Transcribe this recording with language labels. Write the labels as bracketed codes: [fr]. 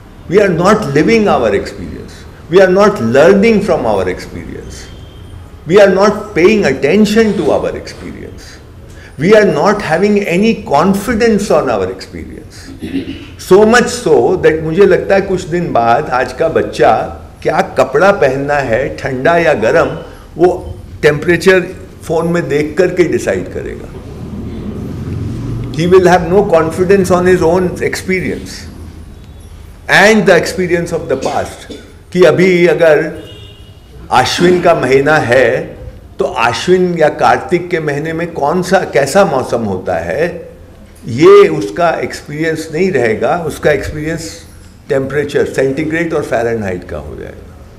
[en] We are not living our experience, we are not learning from our experience, we are not paying attention to our experience, we are not having any confidence on our experience. So much so that [hi] मुझे लगता है कुछ दिन बाद आज का बच्चा क्या कपड़ा पहनना है, ठंडा या गर्म, वो टेम्परेचर फोन में देख करके डिसाइड करेगा. [en] He will have no confidence on his own experience and the experience of the past. [hi] कि अभी अगर आश्विन का महीना है तो आश्विन या कार्तिक के महीने में कौन सा कैसा मौसम होता है, ये उसका एक्सपीरियंस नहीं रहेगा. उसका एक्सपीरियंस टेम्परेचर सेंटीग्रेड और फ़ारेनहाइट का हो जाएगा.